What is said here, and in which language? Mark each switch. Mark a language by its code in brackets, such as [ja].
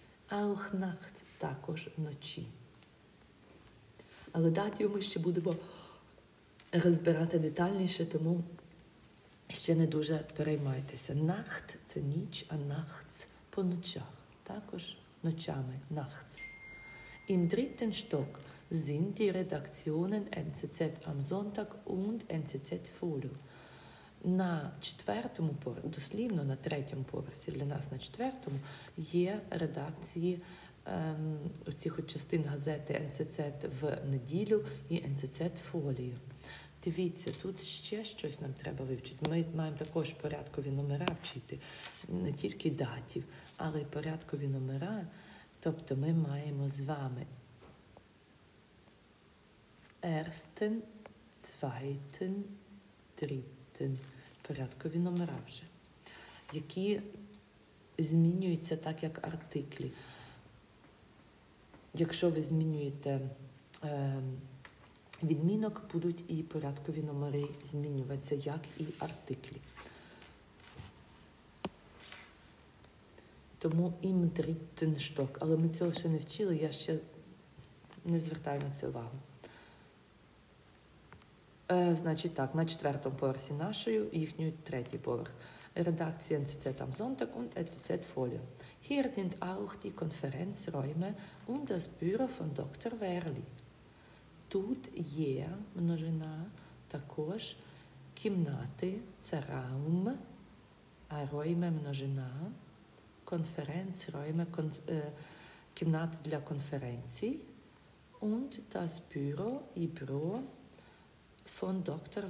[de] «Auch nachts» [uk] – також вночі. Але датів ми ще будемо розбирати детальніше, тому ще не дуже переймайтеся. «Nacht» – це ніч, а «nachts» – по ночах. Також ночами, nachts. [de] Im dritten Stock sind die Redaktionen NZZ am Sonntag und NZZ Folio. [uk] На четвертому поверсі, дослівно на третьому поверсі, для нас на четвертому, є редакції оцих частин газети NZZ в неділю і NZZ Folio. Дивіться, тут ще щось нам треба вивчити. Ми маємо також порядкові номера вчити, не тільки датів, але й порядкові номера. Тобто ми маємо з вами ersten, zweiten, dritten, порядкові номера вже, які змінюються так, як артиклі. Якщо ви змінюєте відмінок, будуть і порядкові номери змінюватися, як і артиклі. Тому [de] «im dritten Stock». [uk] Але ми цього ще не вчили, я ще не звертаю на це увагу. Значить так, на четвертому поверсі нашою, їхній третій поверх. [de] Redaktion NZZ am Sonntag und NZZ Folio. Hier sind auch die Konferenzräume und das Büro von Dr. Werli. [uk] Тут є множина також кімнати, це раум, а ройме множина, конференц, ройме, кімнати для конференцій, [de] und das Büro, [uk] і бюро von Dr.